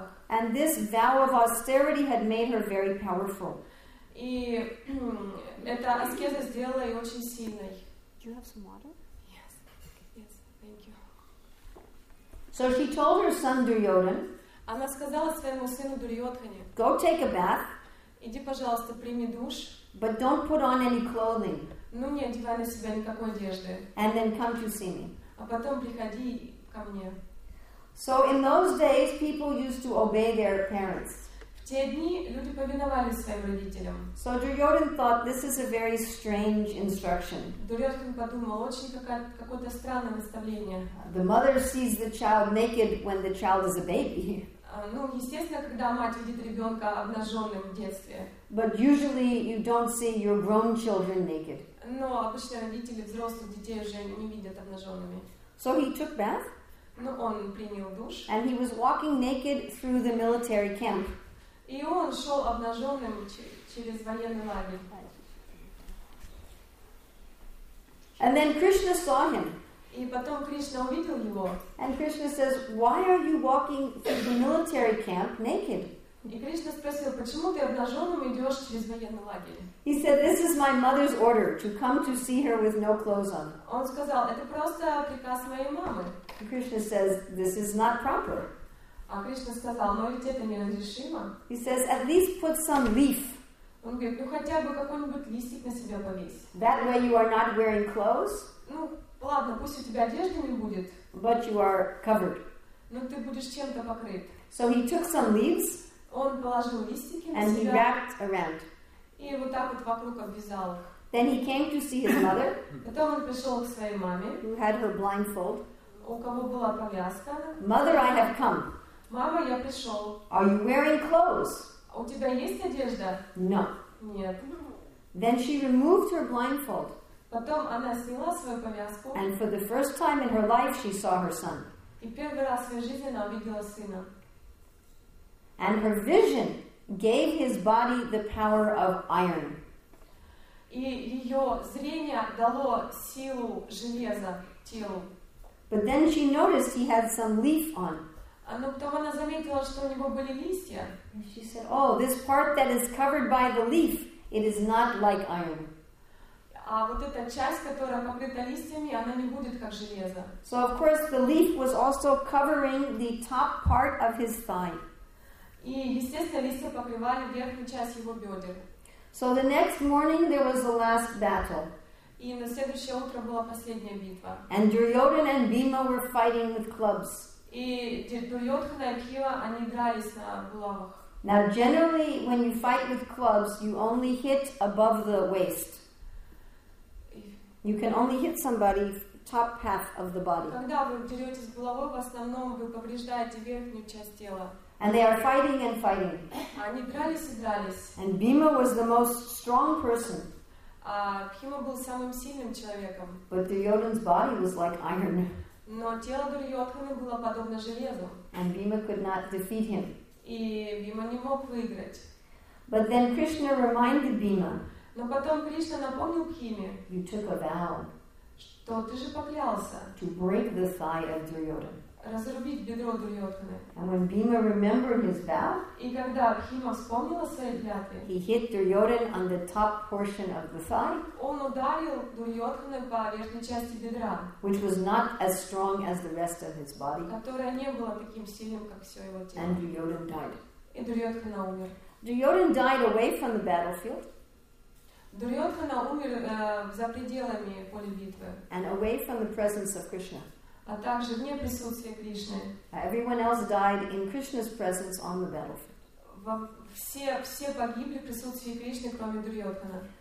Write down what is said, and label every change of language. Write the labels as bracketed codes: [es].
[en] And this vow of austerity had made her very powerful. [ru] И эта аскеза сделала ее очень сильной. [en] Do you have some water? Yes. Yes, thank you. So she told her son Duryodhan, [ru] она сказала своему сыну Дурьотхане, [en] go take a bath, [ru] иди, пожалуйста, прими душ, [en] but don't put on any clothing, [ru] ну, не одевай на себя никакой одежды, [en] and then come to see me. [ru] А потом приходи ко мне. [en] So in those days, people used to obey their parents. [ru] В те дни люди повиновались своим родителям. [en] So Duryodhan thought this is a very strange instruction. [ru] Дурьотхан подумал, очень какое-то странное наставление. [en] The mother sees the child naked when the child is a baby. [ru] Ну, естественно, когда мать видит ребенка обнаженным в детстве. [en] But usually you don't see your grown children naked. [ru] Но обычно родители взрослых детей уже не видят обнаженными. [en] So he took bath. [ru] Ну, он принял душ. [en] And he was walking naked through the military camp. [ru] И он шел обнаженным через военный лагерь. [en] And then Krishna saw him. [ru] И потом Кришна увидел его. [en] And Krishna says, "Why are you walking through the military camp naked?" [ru] И Кришна спросил, почему ты обнаженным идешь через военный лагерь? [en] He said, "This is my mother's order to come to see her with no clothes on." [ru] Он сказал, это просто приказ моей мамы. [en] And Krishna says, "This is not proper." [ru] А Кришна сказал, но ведь это неразрешимо. [en] He says, at least put some leaf. [ru] Он говорит, ну хотя бы какой-нибудь листик на себя повесь. [en] That way you are not wearing clothes. [ru] Ну, ладно, пусть у тебя одежды не будет. [en] But you are covered. [ru] Но ты будешь чем-то покрыт. [en] So he took some leaves. [ru] Он положил листики на себя. [en] And he wrapped around. [ru] И вот так вот вокруг обвязал их. [en] Then he came to see his mother. [ru] Потом он пришел к своей маме. [en] Who had her blindfold. [ru] У кого была повязка. [en] Mother, I have come. [ru] Мама, я пришел. [en] Are you wearing clothes? [ru] У тебя есть одежда? [en] No. [ru] Нет. [en] Then she removed her blindfold. [ru] Потом она сняла свою повязку. [en] And for the first time in her life, she saw her son. [ru] И первый раз в своей жизни она увидела сына. [en] And her vision gave his body the power of iron. [ru] И ее зрение дало силу железа телу. [en] But then she noticed he had some leaf on. [ru] Но потом она заметила, что у него были листья. [en] She said, "Oh, this part that is covered by the leaf, it is not like iron." [ru] А вот эта часть, которая покрыта листьями, она не будет как железо. [en] So of course the leaf was also covering the top part of his thigh. [ru] И естественно листья покрывали верхнюю часть его бедер. [en] So the next morning there was the last battle. [ru] И на следующее утро была последняя битва. [en] And Duryodhan and Bhima were fighting with clubs. [ru] И Дурьотхана и Бхима, они дрались на булавах. [en] Now, generally, when you fight with clubs, you only hit above the waist. You can only hit somebody top half of the body. [ru] Когда вы деретесь булавой, в основном вы повреждаете верхнюю часть тела. [en] And they are fighting and fighting. [ru] Они дрались и дрались. [en] And Bhima was the most strong person. [ru] А Бхима был самым сильным человеком. [en] But Duryodhan's body was like iron. [ru] Но тело Дурьотханы было подобно железу. [en] And Bhima could not defeat him. [ru] И Бхима не мог выиграть. [en] But then Krishna reminded Bhima. [ru] Но потом Кришна напомнил Бхиме. [en] You took a vow. [ru] Что ты же поклялся. [en] To break the thigh of Duryodhana. [ru] Разрубить бедро Дурьотханы. [en] And when Bhima remembered his vow. [ru] И когда Бхима вспомнил о своей клятве. [en] He hit Duryodhana on the top portion of the thigh. [ru] Он ударил Дурьотхану по верхней части бедра, [en] which was not as strong as the rest of his body, [ru] которая не была таким сильным, как все его тело. [en] And Duryodhana died. [ru] И Дурьотхана умер. [en] Duryodhana died away from the battlefield. [ru] Дурьотхана умер за пределами поля битвы. [en] And away from the presence of Krishna. [ru] А также вне присутствия Кришны. [en] Everyone else died in Krishna's presence on the battlefield. [ru] Все погибли в присутствии Кришны, кроме Дурьотхана.